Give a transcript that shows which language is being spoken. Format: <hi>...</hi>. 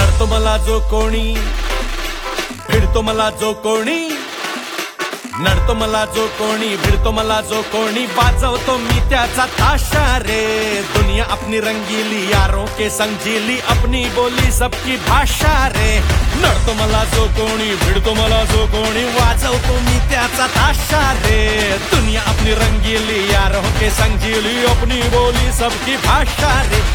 <mr>मला जो कोणी, फिरतो मला जो कोणी, नडतो मला जो कोणी, भिडतो मला जो कोणी, वाजवतो मी त्याचा ताशा रे.</mr> <hi>दुनिया अपनी रंगीली, यारों के संजीली, अपनी बोली सबकी भाषा रे.</hi> <mr>नडतो मला जो कोणी, भिडतो मला जो कोणी, वाजवतो मी त्याचा ताशा रे.</mr> <hi>दुनिया अपनी रंगीली, यारों के संजीली, अपनी बोली सबकी भाषा रे.</hi>